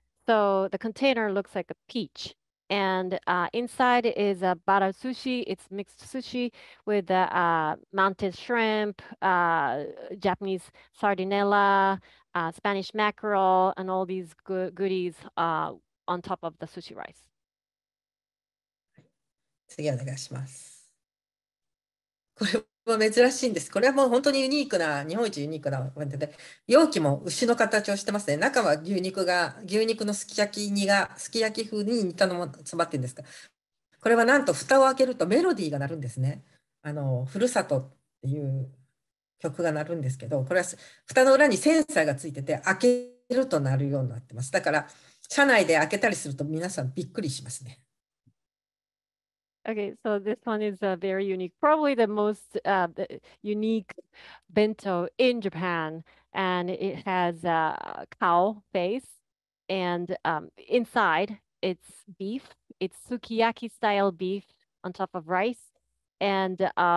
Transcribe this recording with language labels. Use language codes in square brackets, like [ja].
[en] So the container looks like a peach. And inside is a bara sushi. It's mixed sushi with mantis shrimp, Japanese sardinella,Spanish mackerel and all these goodies on top of the sushi rice. [ja] 次お願いします。これも珍しいんです。これはもう本当にユニークな、日本一ユニークなお弁当で、容器も牛の形をしてますね。中は牛肉のすき焼き煮が、すき焼き風に煮たのも詰まってるんですが、これはなんと蓋を開けるとメロディーが鳴るんですね。あのふるさとっていう曲が鳴るんですけど、これは蓋の裏にセンサーがついてて、開けるとなるようになってます。だから車内で開けたりすると皆さんびっくりしますね。 [en] Okay, so this one is a very unique, probably the most unique bento in Japan, and it has a cow face, and inside it's beef, it's sukiyaki style beef on top of rice, and